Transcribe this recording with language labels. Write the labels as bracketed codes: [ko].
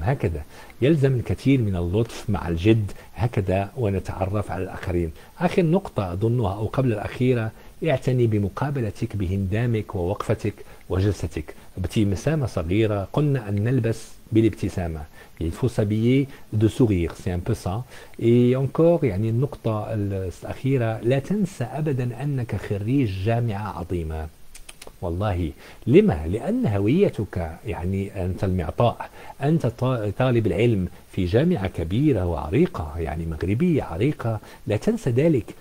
[ar] هكذا يلزم الكثير من اللطف مع الجد هكذا ونتعرف على الآخرين. آخر نقطة أظنها أو قبل الأخيرة، اعتني بمقابلتك بهندامك ووقفتك وجلستك بابتسامة صغيرة. قلنا أن نلبس بالابتسامة، [fr] il faut s'habiller de sourire, c'est un peu ça. Et encore, [ar] يعني النقطة الأخيرة، لا تنسى أبدا أنك خريج جامعة عظيمة. والله لما؟ لأن هويتك يعني أنت المعطاء، أنت طالب العلم في جامعة كبيرة وعريقة، يعني مغربية عريقة، لا تنسى ذلك.